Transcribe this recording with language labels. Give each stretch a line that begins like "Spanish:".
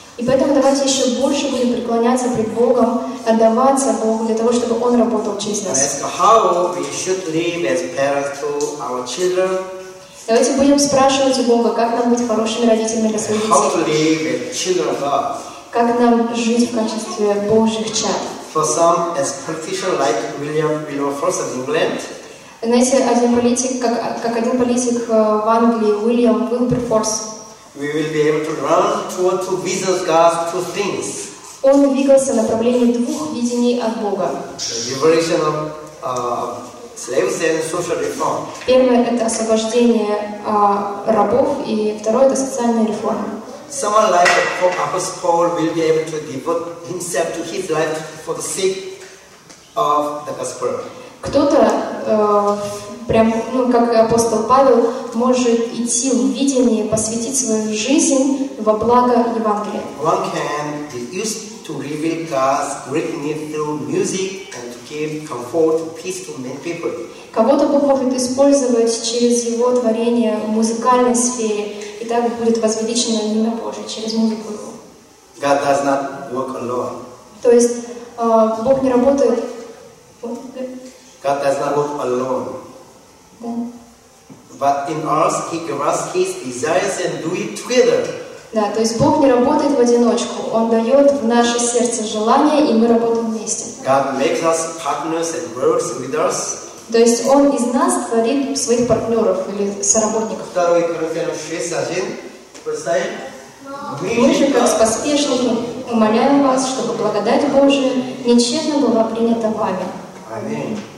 Russian: И поэтому давайте еще больше будем преклоняться пред Богом, отдаваться Богу для того, чтобы Он работал через нас.
English: Ask how we should live as parents to our children.
Russian: Давайте будем спрашивать у Бога, как нам быть хорошими родителями для своих детей.
English: How to live as children of God.
Russian: Как нам жить в качестве Божьих чад?
English: For some, as politicians like William Wilberforce of England.
Russian: Знаете, один политик, как один политик в Англии, William Wilberforce.
English: We will be able to run toward two visions, God's two things.
Russian: Он двигался в направлении двух видений от Бога.
English: Liberation of slaves and social reform.
Russian: Первое это освобождение рабов, и второе это социальная реформа.
English: Someone like Apostle Paul will be able to devote himself to his life for the sake of the gospel.
Russian: Кто-то, прям, ну, как апостол Павел, может идти в видение, посвятить свою жизнь во благо Евангелия.
English: One can use to reveal God's greatness through music and to give comfort and peace to many people.
Russian: Кого-то Бог может использовать через его творение в музыкальной сфере, и так будет возвеличено имя Божие через музыку.
English: God does not work alone.
Russian: То есть Бог не работает.
English: God does not work alone.
Russian: Да.
English: But in us, He gives His desires and do it together.
Russian: Да, то есть Бог не работает в одиночку. Он дает в наше сердце желание, и мы работаем вместе.
English: God makes us partners and works with us.
Russian: То есть Он из нас творит своих партнеров или соработников. 2 Коринфянам 6:1 Мы же как с поспешными умоляем вас, чтобы благодать Божия нечестно была принята вами.